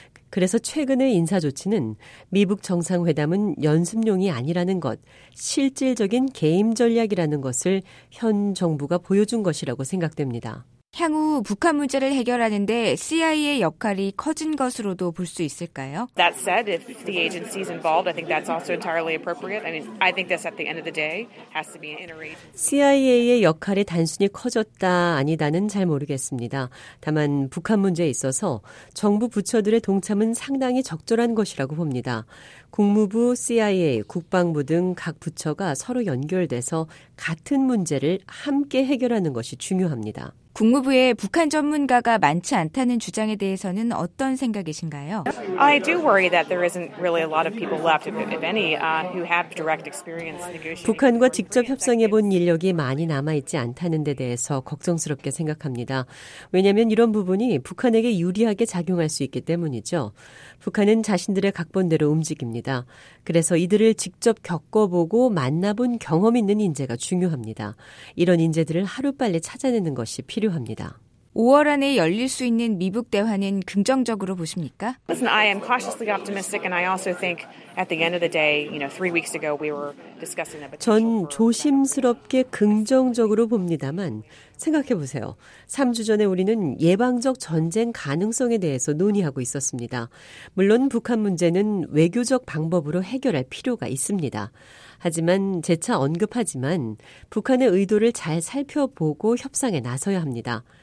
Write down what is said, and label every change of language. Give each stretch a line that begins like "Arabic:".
Korean: 그래서 최근의 인사 조치는 미북 정상회담은 연습용이 아니라는 것, 실질적인 게임 전략이라는 것을 현 정부가 보여준 것이라고 생각됩니다. 향후 북한 문제를 해결하는데 CIA의 역할이 커진 것으로도 볼 수 있을까요?
English: That said, if the agency is involved, I think that's also entirely appropriate. I mean, I think this at the end of the day has to be an interagency.
Korean: CIA의 역할이 단순히 커졌다 아니다는 잘 모르겠습니다. 다만 북한 문제에 있어서 정부 부처들의 동참은 상당히 적절한 것이라고 봅니다. 국무부, CIA, 국방부 등 각 부처가 서로 연결돼서 같은 문제를 함께 해결하는 것이 중요합니다. 국무부에 북한 전문가가 많지 않다는 주장에 대해서는 어떤 생각이신가요?
English: I do worry that there isn't really a lot of people left, if any, who have direct experience negotiating.
Korean: 북한과 직접 협상해 본 인력이 많이 남아 있지 않다는 데 대해서 걱정스럽게 생각합니다. 왜냐하면 이런 부분이 북한에게 유리하게 작용할 수 있기 때문이죠. 북한은 자신들의 각본대로 움직입니다. 그래서 이들을 직접 겪어보고 만나본 경험 있는 인재가 중요합니다. 이런 인재들을 하루빨리 찾아내는 것이 필요합니다. 5월 안에 열릴 수 있는 미북 대화는 긍정적으로 보십니까?
English: Listen, I am cautiously optimistic and I also think at the end of the day, you know, 3 weeks ago we were discussing a potential.
Korean: 전 조심스럽게 긍정적으로 봅니다만 생각해 보세요. 3주 전에 우리는 예방적 전쟁 가능성에 대해서 논의하고 있었습니다. 물론 북한 문제는 외교적 방법으로 해결할 필요가 있습니다. 하지만 재차 언급하지만 북한의 의도를 잘 살펴보고 협상에 나서야 합니다.